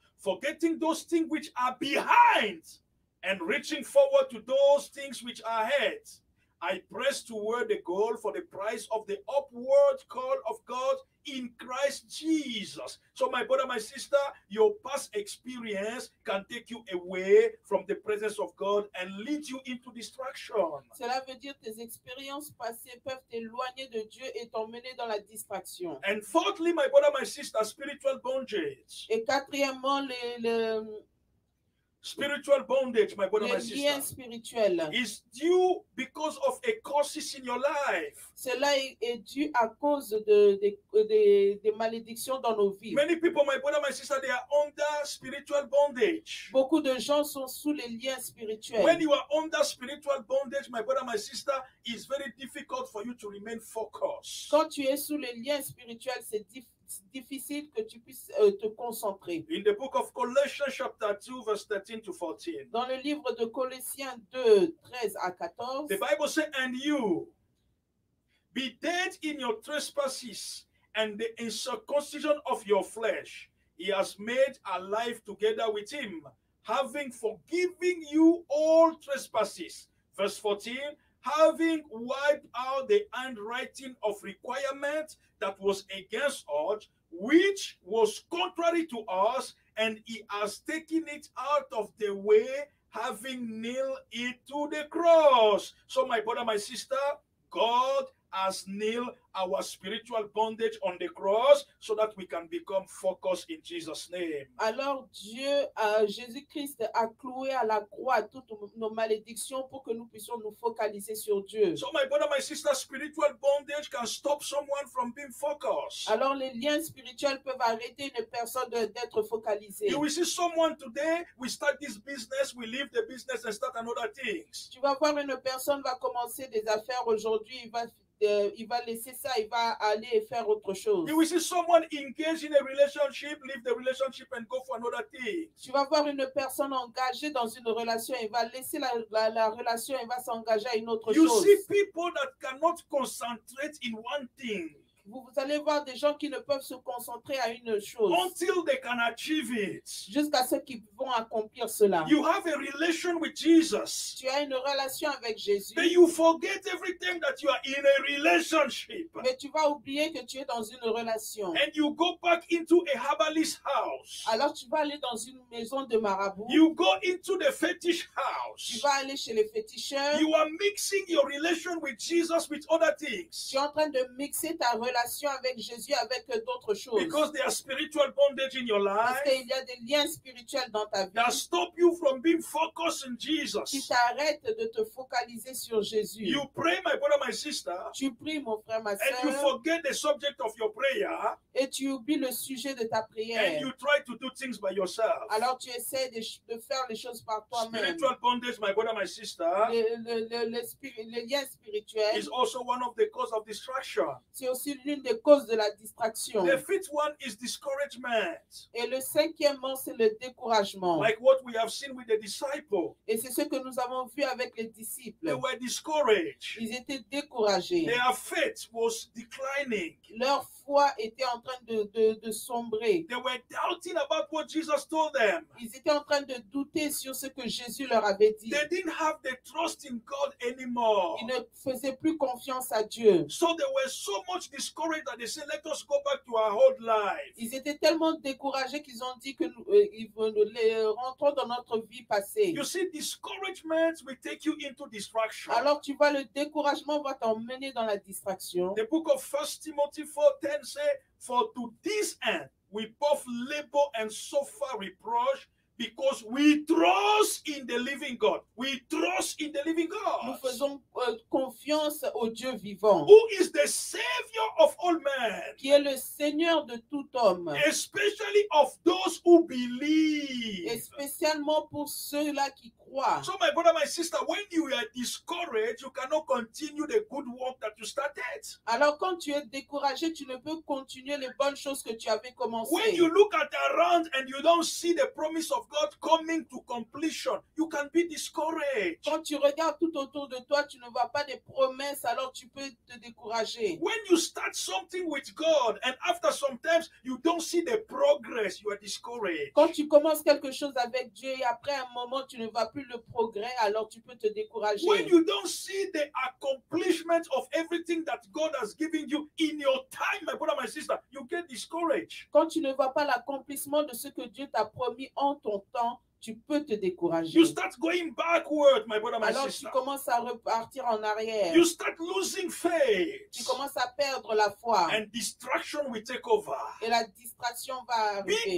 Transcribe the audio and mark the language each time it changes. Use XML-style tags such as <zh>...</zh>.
<en>Forgetting those things which are behind and reaching forward to those things which are ahead, I press toward the goal for the prize of the upward call of God in Christ Jesus. So my brother, my sister, your past experience can take you away from the presence of God and lead you into distraction.</en> <fr>Cela veut dire tes expériences passées peuvent t'éloigner de Dieu et t'emmener dans la distraction.</fr> <en>And fourthly, my brother, my sister, spiritual bondage.</en> <fr>Et quatrièmement, le</fr> <en>spiritual bondage, my brother, my sister.</en> <fr>Le lien spirituel.</fr> <en>Is due because of a curses in your life.</en> <fr>Cela est dû à cause de malédictions dans nos vies.</fr> <en>Many people, my brother, my sister, they are under spiritual bondage.</en> <fr>Beaucoup de gens sont sous les liens spirituels.</fr> <en>When you are under spiritual bondage, my brother, my sister, it's very difficult for you to remain focused.</en> <fr>Quand tu es sous les liens spirituels, c'est difficile que tu puisses te concentrer.</fr> <en>In the book of Colossians chapter 2 verse 13 to 14.</en> <fr>Dans le livre de Colossiens 2 13 à 14.</fr> <en>The Bible says, and you be dead in your trespasses and the incircumcision of your flesh. He has made alive together with him, having forgiven you all trespasses. Verse 14, having wiped out the handwriting of requirement that was against us, which was contrary to us, and he has taken it out of the way, having nailed it to the cross. So my brother, my sister, God has nailed our spiritual bondage on the cross so that we can become focused in Jesus' name.</en> <fr>Alors Dieu, Jésus-Christ a cloué à la croix toutes nos malédictions pour que nous puissions nous focaliser sur Dieu.</fr> <en>So my brother, my sister, spiritual bondage can stop someone from being focused.</en> <fr>Alors les liens spirituels peuvent arrêter une personne d'être focalisée.</fr> <en>You will see someone today, we start this business, we leave the business and start another things.</en> <fr>Tu vas voir une personne va commencer des affaires aujourd'hui, il va laisser ça, il va aller faire autre chose.</fr> <en>You will see someone engaged in a relationship, leave the relationship and go for another thing.</en> <fr>Tu vas voir une personne engagée dans une relation, il va laisser la relation, il va s'engager à une autre</fr> <en>you</en> <fr>chose.</fr> <en>You see people that cannot concentrate in one thing.</en> <fr>Vous allez voir des gens qui ne peuvent se concentrer à une chose.</fr> <en>Until they can achieve it.</en> <fr>Jusqu'à ce qu'ils vont accomplir cela.</fr> <en>You have a relation with Jesus.</en> <fr>Tu as une relation avec Jésus.</fr> <en>But you forget everything that you are in a relationship.</en> <fr>Mais tu vas oublier que tu es dans une relation.</fr> <en>And you go back into a herbalist house.</en> <fr>Alors tu vas aller dans une maison de marabout.</fr> <en>You go into the fetish house.</en> <fr>Tu vas aller chez les féticheurs.</fr> <en>You are mixing your relation with Jesus with other things.</en> <fr>Tu es en train de mixer ta relation avec Jésus avec d'autres choses.</fr> <en>Because there are spiritual bondage in your life.</en> <fr>Parce qu'il y a des liens spirituels dans ta vie.</fr> <en>That stop you from being focused on Jesus.</en> <fr>Qui t'arrête de te focaliser sur Jésus.</fr> <en>You pray, my brother, my sister.</en> <fr>Tu pries, mon frère, ma sœur.</fr> <en>And you forget the subject of your prayer.</en> <fr>Et tu oublies le sujet de ta prière.</fr> <en>And you try to do things by yourself.</en> <fr>Alors tu essaies de faire les choses par toi-même.</fr> <en>Spiritual bondage, my brother, my sister.</en> <fr>Le lien spirituel.</fr> <en>Is also one of the causes of distraction.</en> <fr>C'est aussi l'une des causes de la distraction.</fr> <en>The fifth one is discouragement.</en> <fr>Et le cinquième, c'est le découragement.</fr> <en>Like what we have seen with the disciples.</en> <fr>Et c'est ce que nous avons vu avec les disciples.</fr> <en>They were discouraged.</en> <fr>Ils étaient découragés.</fr> <en>Their faith was declining.</en> <fr>Leur foi était en train de sombrer.</fr> <en>They were doubting about what Jesus told them.</en> <fr>Ils étaient en train de douter sur ce que Jésus leur avait dit.</fr> <en>They didn't have the trust in God anymore.</en> <fr>Ils ne faisaient plus confiance à Dieu.</fr> <en>So there were so much discouraged that they said, "Let us go back to our old life."</en> <fr>Ils étaient tellement découragés qu'ils ont dit que nous, rentrons dans notre vie passée.</fr> <en>You see, discouragement will take you into distraction.</en> <fr>Alors tu vois, le découragement va t'emmener dans la distraction.</fr> <en>The book of 1 Timothy 4:10 says, "For to this end we both labor and suffer reproach." Because we trust in the living God. We trust in the living God.</en> <fr>Nous faisons confiance au Dieu vivant.</fr> <en>Who is the Savior of all men.</en> <fr>Qui est le Seigneur de tout homme.</fr> <en>Especially of those who believe.</en> <fr>Et spécialement pour ceux-là qui croient.</fr> <en>So my brother, my sister, when you are discouraged, you cannot continue the good work that you started.</en> <fr>Alors quand tu es découragé, tu ne peux continuer les bonnes choses que tu avais commencé.</fr> <en>When you look at around and you don't see the promise of God coming to completion, you can be discouraged.</en> <fr>Quand tu regardes tout autour de toi, tu ne vois pas des promesses, alors tu peux te décourager.</fr> <en>When you start something with God and after some times you don't see the progress, you are discouraged.</en> <fr>Quand tu commences quelque chose avec Dieu et après un moment tu ne vois plus le progrès, alors tu peux te décourager.</fr> <en>When you don't see the accomplishment of everything that God has given you in your time, my brother, my sister, you get discouraged.</en> <fr>Quand tu ne vois pas l'accomplissement de ce que Dieu t'a promis en ton temps, tu peux te décourager.</fr> <en>You start going backward, my brother, my</en> <fr>alors</fr> <en>sister.</en> <fr>Tu commences à repartir en arrière.</fr> <en>You start losing faith.</en> <fr>Tu commences à perdre la foi.</fr> <en>And distraction will take over.</en> <fr>Et la distraction va arriver.</fr>